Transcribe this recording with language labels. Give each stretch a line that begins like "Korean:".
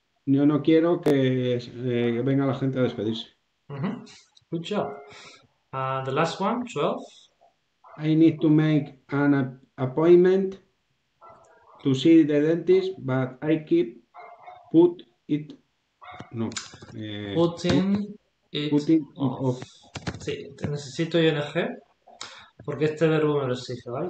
Spanish: Yo no quiero que venga la gente a despedirse.
English: Good job. The last one, 12. I need to make an appointment to see the dentist, but I keep put it. No. Putting it Putting it off. off.
Spanish: Sí, te necesito ING porque este verbo me lo exige, ¿vale?